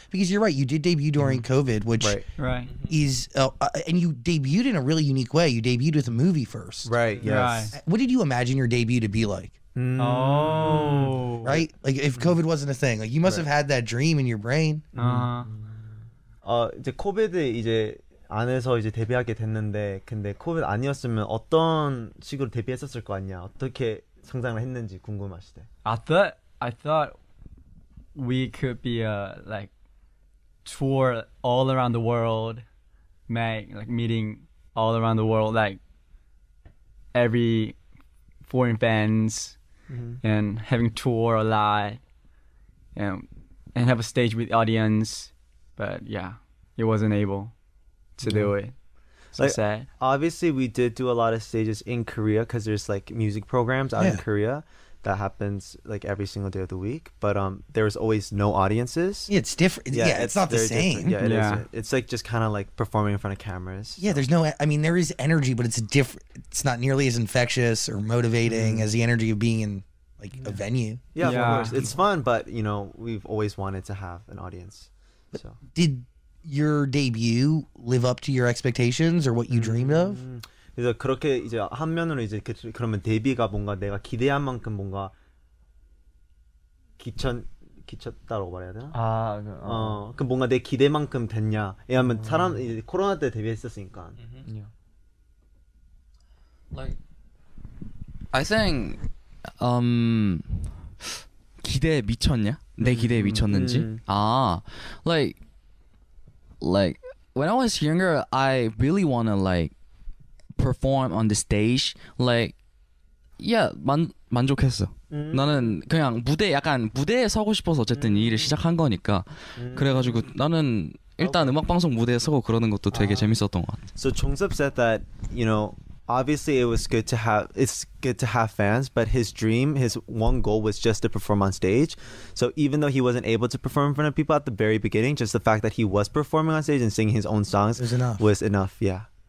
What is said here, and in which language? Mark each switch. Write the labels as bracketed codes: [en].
[en] Because you're right, you did debut during COVID, which is and you debuted in a really unique way. You debuted with a movie first, right? Yes. Right. What did you imagine your debut to be like? Oh, right, like if COVID wasn't a thing, like you must have had that dream in your brain. Uh-huh. [ko] 이제 코비드 이제 안에서 이제 데뷔하게 됐는데 근데 코비드 아니었으면 어떤 식으로 데뷔했었을 거 아니야. 어떻게 성장을 했는지 궁금하시대. [en] I thought we could be a like tour all around the world, like meeting all around the world, like every foreign fans, mm-hmm. and having tour a lot and have a stage with audience, but yeah. It wasn't able to do it. So like, sad. Obviously, we did do a lot of stages in Korea because there's like music programs out in Korea that happens like every single day of the week. But there was always no audiences. Yeah, it's different. Yeah, it's not the same. Different. Yeah, it is. It's like just kind of like performing in front of cameras. So. Yeah, there's no, I mean, there is energy, but it's different. It's not nearly as infectious or motivating as the energy of being in like a venue. Yeah, of course. It's fun, but you know, we've always wanted to have an audience. So did your debut live up to your expectations or what you dreamed of? [ko] 그래서 그렇게 이제 한 면으로 이제 그러면 데뷔가 뭔가 내가 기대한 만큼 뭔가 기쳤다라고 말해야 되나? 아, 그 뭔가 내 기대만큼 됐냐? 왜냐하면 사람 이제 코로나 때 데뷔했었으니까. [en] Like, I think, [ko] 기대 미쳤냐? 내 기대에 미쳤는지? [en] 아, like when I was younger, I really wanna like perform on the stage. Like, yeah, [ko] 만족했어. 나는 그냥 무대 약간 무대에 서고 싶어서 어쨌든 이 일을 시작한 거니까. 그래가지고 나는 일단 음악 방송 무대에 서고 그러는 것도 되게 재밌었던 것 같아. [en] So Jongseop said that, you know, obviously it was good to have fans, but his dream, his one goal was just to perform on stage. So even though he wasn't able to perform in front of people at the very beginning, just the fact that he was performing on stage and singing his own songs was enough. Yeah,